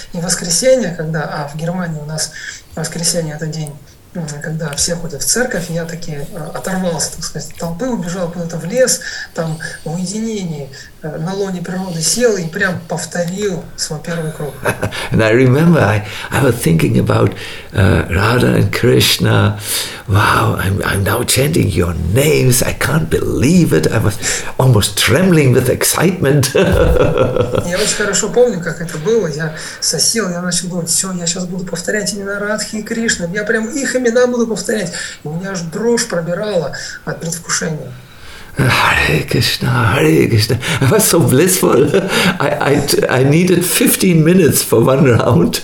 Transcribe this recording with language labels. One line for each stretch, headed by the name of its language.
Russian: И в воскресенье, когда, а в Германии у нас воскресенье – это день, когда все ходят в церковь, я таки оторвался, так сказать, от толпы, убежал куда-то в лес, там в уединении, на лоне природы сел и прям повторил свой первый круг.
English: And I remember I was thinking about Radha and Krishna. Wow, I'm now chanting your names. I can't believe it. I was almost trembling with excitement.
Russian: Я очень хорошо помню, как это было. Я сосел, я начал говорить, все, я сейчас буду повторять имена Радхи и Кришны. Я прям их имена буду повторять. И у меня аж дрожь пробирала от предвкушения.
English: Hare Krishna, I was so blissful. I needed 15 minutes for one round.